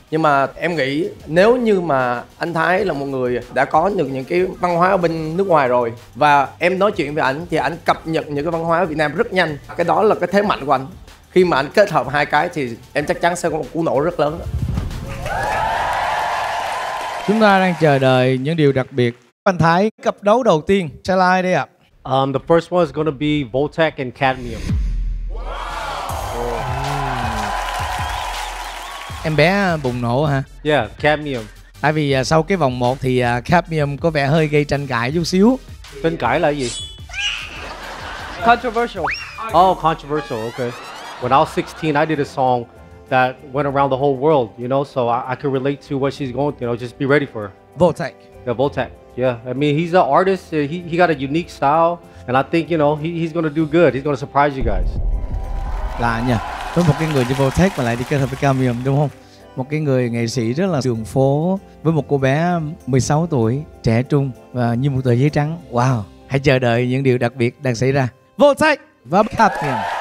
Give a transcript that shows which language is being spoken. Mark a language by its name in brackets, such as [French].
[Vietnamese] Nhưng mà em nghĩ nếu như mà anh Thái là một người đã có được những cái văn hóa ở bên nước ngoài rồi và em nói chuyện với ảnh thì ảnh cập nhật những cái văn hóa ở Việt Nam rất nhanh. Cái đó là cái thế mạnh của ảnh. Khi mà ảnh kết hợp hai cái thì em chắc chắn sẽ có một cú nổ rất lớn. Chúng ta đang chờ đợi những điều đặc biệt. Anh Thái, cặp đấu đầu tiên sẽ là ai đây ạ? [English] The first one is going to be Voltec and Cadmium. [Vietnamese] Em bé bùng nổ hả? [English] Yeah, Cadmium. [Vietnamese] Tại vì sau cái vòng 1 thì Cadmium có vẻ hơi gây tranh cãi chút xíu. Tranh cãi là gì? [English] Controversial. Oh, controversial, okay. When I was 16, I did a song that went around the whole world, you know, so I could relate to what she's going through, you know, just be ready for her. Voltec. Yeah, Voltec. Yeah, I mean, he's an artist, he got a unique style, and I think, you know, he's gonna do good, he's gonna surprise you guys. [Vietnamese] Lạ nhỉ, với một cái người như Voltec mà lại đi kết hợp với Cadmium, đúng không? Một cái người nghệ sĩ rất là đường phố, với một cô bé 16 tuổi, trẻ trung, và như một tờ giấy trắng. Wow, hãy chờ đợi những điều đặc biệt đang xảy ra. Voltec và Cadmium.